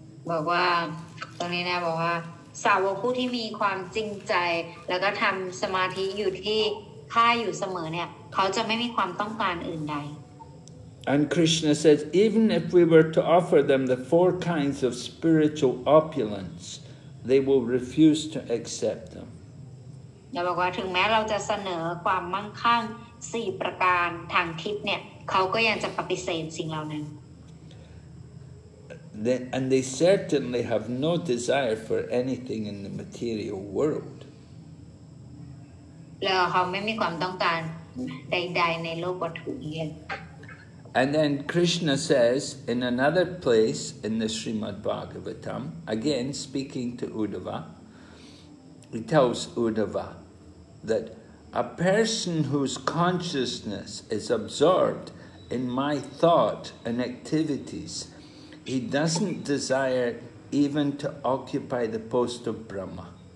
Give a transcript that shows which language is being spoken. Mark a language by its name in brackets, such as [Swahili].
[Thai] บอกว่าตอนนี้นะบอกว่าสาวกผู้ที่มีความจริงใจแล้วก็ทำสมาธิอยู่ที่ค่ายอยู่เสมอเนี่ยเขาจะไม่มีความต้องการอื่นใด [English] And Krishna says, even if we were to offer them the four kinds of spiritual opulence, they will refuse to accept them. [Thai] เราบอกว่าถึงแม้เราจะเสนอความมั่งคั่ง4ประการทางทิพย์เนี่ยเขาก็ยังจะปฏิเสธสิ่งเหล่านั้น [English] And they certainly have no desire for anything in the material world. [Thai] แล้วเขาไม่มีความต้องการใดๆในโลกวัตถุเลย [English] And then Krishna says in another place in the Srimad Bhagavatam, again speaking to Uddhava,He tells Uddhava that a person whose consciousness is absorbed in my thought and activities, he doesn't desire even to occupy the post of Brahma.